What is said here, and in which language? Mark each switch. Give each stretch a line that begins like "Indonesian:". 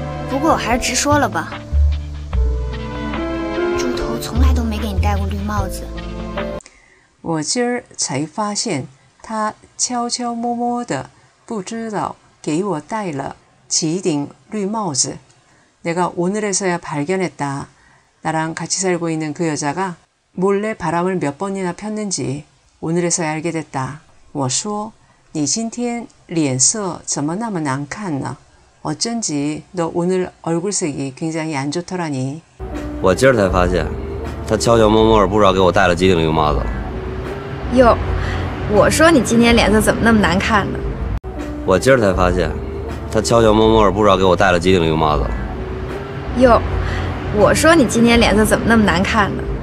Chinese: 不过我还是直说了吧，猪头从来都没给你戴过绿帽子。我今儿才发现，他悄悄摸摸的，不知道给我戴了几顶绿帽子。
Korean: 내가 오늘에서야 발견했다. 나랑 같이 살고 있는 그 여자가 몰래 바람을 몇 번이나 폈는지 오늘에서야 알게 됐다.
Chinese: 我说，你今天脸色怎么那么难看呢？
Korean: 어쩐지 너 오늘 얼굴색이 굉장히 안 좋더라니.
Chinese: 我今儿才发现，他悄悄摸摸不知道给我戴了几顶绿帽子。哟，我说你今天脸色怎么那么难看呢？我今儿才发现，他悄悄摸摸不知道给我戴了几顶绿帽子。哟，我说你今天脸色怎么那么难看呢？